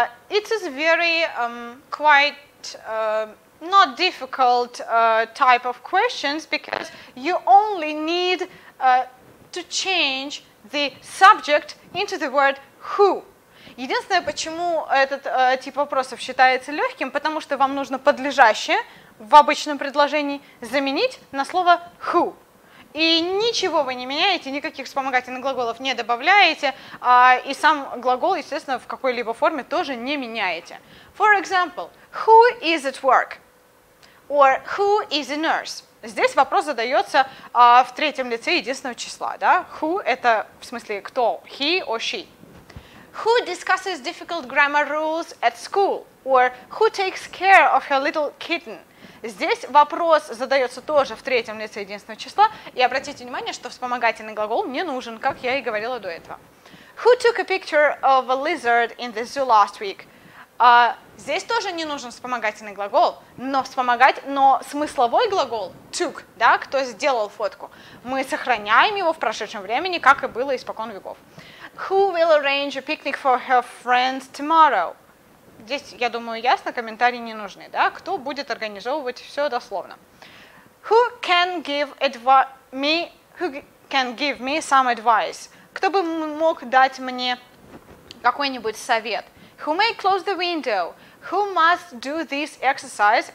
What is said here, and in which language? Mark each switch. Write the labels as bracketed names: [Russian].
[English] It is very quite not difficult type of questions because you only need to change the subject into the word who. [Russian] Единственное, почему этот тип вопросов считается легким, потому что вам нужно подлежащее в обычном предложении заменить на слово who. И ничего вы не меняете, никаких вспомогательных глаголов не добавляете, и сам глагол, естественно, в какой-либо форме тоже не меняете. [English] For example, who is at work? Or who is a nurse? [Russian] Здесь вопрос задается в третьем лице единственного числа. [English] Да? Who – [Russian] это в смысле кто, [English] he or she. Who discusses difficult grammar rules at school? Or who takes care of her little kitten? [Russian] Здесь вопрос задается тоже в третьем лице единственного числа. И обратите внимание, что вспомогательный глагол мне нужен, как я и говорила до этого. [English] Who took a picture of a lizard in the zoo last week? [Russian] Здесь тоже не нужен вспомогательный глагол, но вспомогать, но смысловой глагол took, да, кто сделал фотку, мы сохраняем его в прошедшем времени, как и было испокон веков. [English] Who will arrange a picnic for her friends tomorrow? [Russian] Здесь, я думаю, ясно, комментарии не нужны, да? Кто будет организовывать все дословно? [English] Who can give who can give me some advice? [Russian] Кто бы мог дать мне какой-нибудь совет. [English] Who may close the window? Who must do this exercise?